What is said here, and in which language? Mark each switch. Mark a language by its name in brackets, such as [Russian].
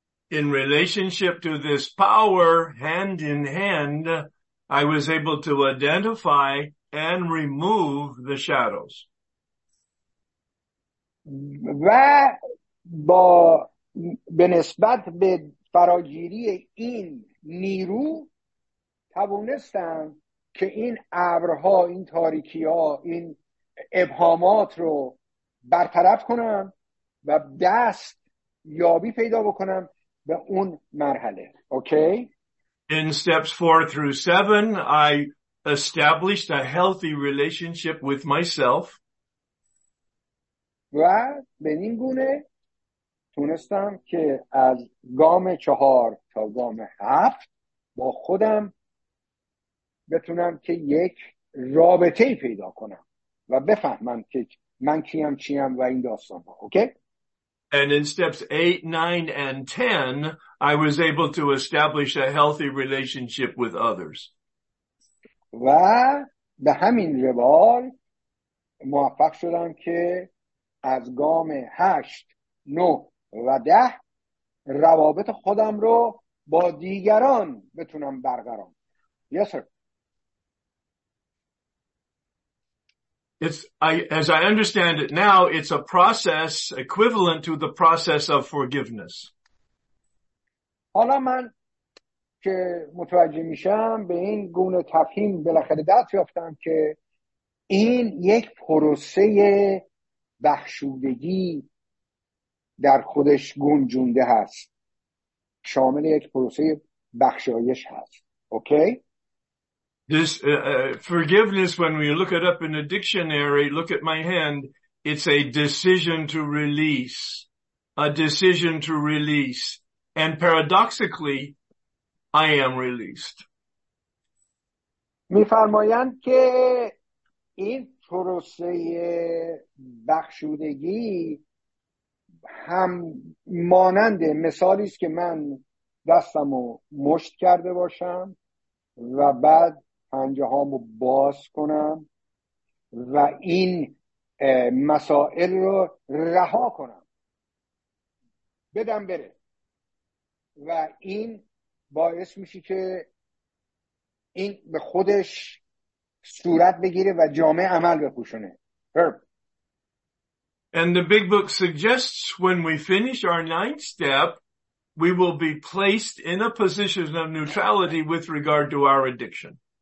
[English] In relationship to this power, hand in hand, I was able to identify and remove the shadows. [Persian] و با به نسبت به فراگیری این نیرو توانستم که این ابرها، این تاریکی‌ها، این ابهامات رو برطرف کنم و دست یابی پیدا بکنم به اون مرحله. اوکی؟ [English] In steps 4 through 7 I established a healthy relationship with myself. [Persian] و به این گونه تونستم که از گام 4 تا گام 7 با خودم بتونم که یک رابطه پیدا کنم و بفهمم که من کیم چیم و این داستان ها. اوکی؟ [English] And in steps 8, 9, and 10, I was able to establish a healthy relationship with others. [Persian] و به همین روال موفق شدم که از گام 8, 9, و 10 روابط خودم رو با دیگران بتونم برقرارم. [English] Yes, sir. As I understand it now, it's a process equivalent to the process of forgiveness. [Persian] حالا من که متوجه میشم به این گونه تفهیم بالاخره دست یافتم که این یک پروسه بخشودگی در خودش گنجونده هست. شامل یک پروسه بخشایش هست. اوکی؟ [English] This forgiveness, when we look it up in a dictionary, look at my hand, it's a decision to release, a decision to release. And paradoxically, I am released. [Persian] می فرمایند که این پروسه بخشودگی هم مانند مثالی است که من دستمو مشت کرده باشم و بعد پنجه هامو باز کنم و این مسائل رو رها کنم بدم بره و این باعث میشه که این به خودش صورت بگیره و جامع عمل بپوشونه. [English] And the big book suggests when we finish our ninth step we will be placed in a position of neutrality with regard to our addiction.